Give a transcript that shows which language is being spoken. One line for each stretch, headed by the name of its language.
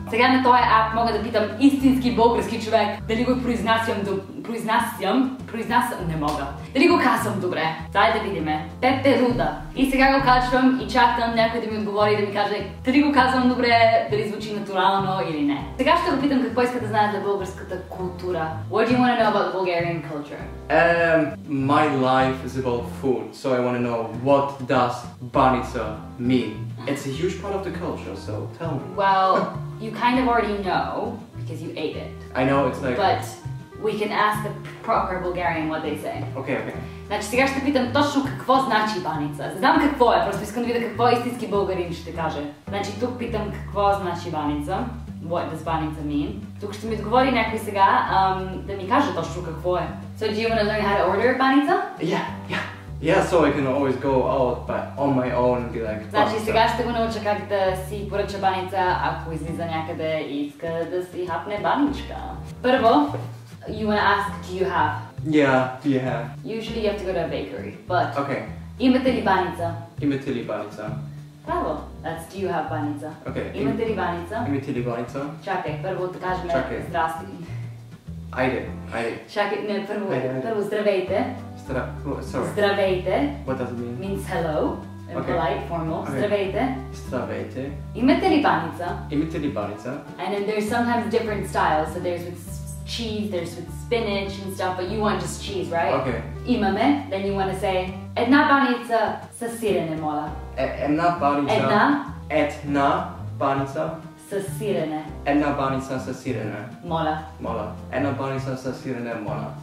Bulgarian: Сега на този ап мога да питам истински български човек дали го произнасям, не мога. Дали го казвам добре? Дай да видиме. Пеперуда. И сега го качвам и чакам някой да ми отговори и да ми каже дали го казвам добре, дали звучи натурално или не. Сега ще го питам какво иска да знае за българската култура.
English: What do you want to know about the Bulgarian culture? My life is about food, so I want to know what does баница mean? It's a huge part of the culture, so tell me. Well, you kind of already know, because you ate it. I know, it's like... But we can ask the proper Bulgarian what they say. Okay.
Bulgarian: Значи сега ще питам точно какво значи баница. Знам какво е, просто искам да видя какво истински българин ще каже. Значи тук питам какво значи баница.
English: What does баница mean?
Bulgarian: Тук ще ми отговори някой сега да ми каже точно какво е.
English: So do you want to learn how to order баница? Yeah. Yeah, so I can always go out but on my own and be like...
Bulgarian: Значи сега ще го науча как да си поръча баница, ако излиза някъде и иска да си хапне баничка. Първо,
English: you wanna ask, do you have? Yeah, do you have? Usually you have to go to a bakery, but... Okay.
Bulgarian: Имате ли баница? Имате ли баница? Браво!
English: That's do you have баница? Okay.
Bulgarian: Имате ли баница? Имате ли баница? Чакай, първо да кажем здрасти. Айде. Чакай, не, първо здравейте.
English: Sorry.
Bulgarian: Здравейте.
English: What does it mean? Means hello. Okay. Polite, formal. Okay.
Bulgarian: Здравейте. Здравейте. Имате ли баница? Имате ли баница?
English: And then there's sometimes different styles. So there's with cheese, there's with spinach and stuff, but you want just cheese, right? Okay.
Bulgarian: Имаме.
English: Then you want to say,
Bulgarian: една баница със сирене, моля. Една баница. Една. Една баница. Със сирене. Една баница със сирене. Моля. Моля. Една баница със сирене, моля.